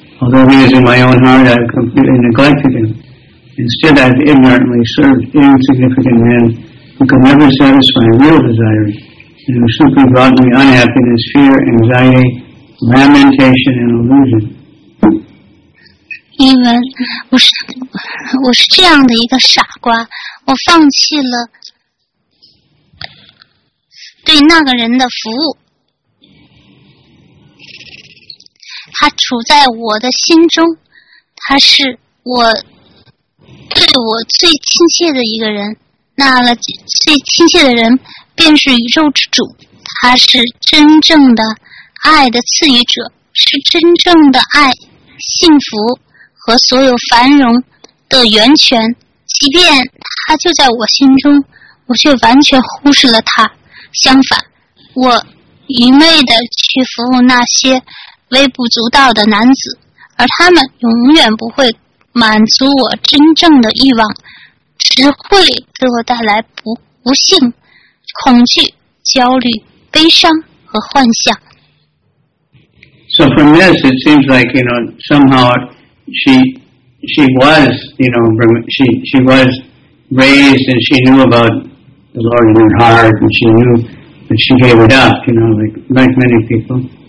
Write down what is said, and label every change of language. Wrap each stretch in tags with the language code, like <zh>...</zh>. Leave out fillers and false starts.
<en>Although he is in my own heart, I have completely neglected him. Instead, I have ignorantly served insignificant men who could never satisfy real desires and who simply brought me unhappiness, fear, anxiety, lamentation, and illusion. Even,</en> <zh>我是这样的一个傻瓜，我放弃了对那个人的服务，他处在我的心中，他是我对我最亲切的一个人，那了最亲切的人便是宇宙之主，他是真正的爱的赐予者，是真正的爱、幸福和所有繁荣的源泉。即便他就在我心中，我却完全忽视了他。相反，我愚昧地去服务那些微不足道的男子，而他们永远不会满足我真正的欲望，只会给我带来不幸、恐惧、焦虑、悲伤和幻想。</zh> <en>So from this, it seems like, you know, somehow she was, you know, she was raised and she knew aboutthe Lord in her heart, and she knew that she gave it up, you know, like many people.</en>